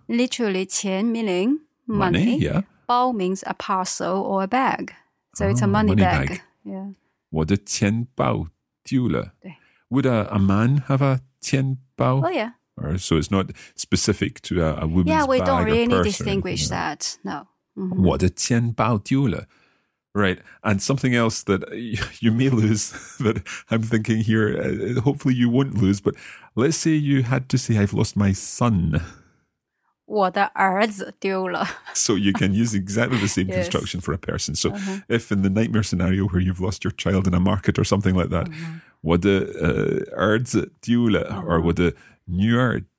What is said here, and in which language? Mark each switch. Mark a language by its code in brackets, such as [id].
[en] literally 钱 meaning money, yeah. 包 means a parcel or a bag, so it's a money bag. [zh] Yeah. 我的钱包丢了。对。 [en] Would a man have a 钱包? Oh yeah. Or, so it's not specific to a woman's bag. Yeah, we don't really need to distinguish that. No. [zh] Mm-hmm. 我的钱包丢了。 [en] Right, and something else that you may lose that I'm thinking here. Hopefully, you won't lose, but. Let's say you had to say, I've lost my son. [zh] 我的儿子丢了。 [en] So you can use exactly the same construction for a person. So if in the nightmare scenario where you've lost your child in a market or something like that, [zh] 我的儿子丢了, [en] or [zh] 我的女儿